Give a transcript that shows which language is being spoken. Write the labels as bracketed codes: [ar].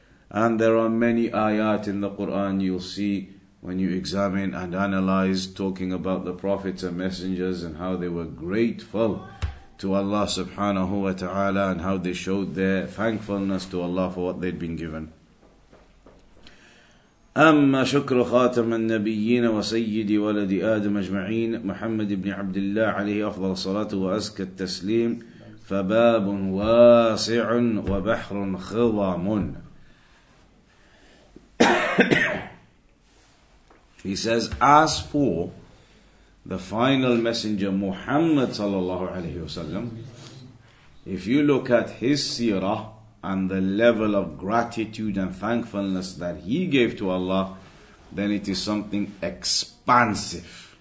[en] And there are many ayat in the Qur'an you'll see when you examine and analyze, talking about the prophets and messengers and how they were grateful to Allah subhanahu wa ta'ala and how they showed their thankfulness to Allah for what they'd been given. [ar] أما شكر خاتم النبيين وسيد ولد آدم أجمعين محمد بن عبد الله عليه أفضل الصلاة وأزكى التسليم فباب واسع وبحر خضام. [en] He says, as for the final messenger Muhammad صلى الله عليه وسلم, if you look at his seerah and the level of gratitude and thankfulness that he gave to Allah, then it is something expansive.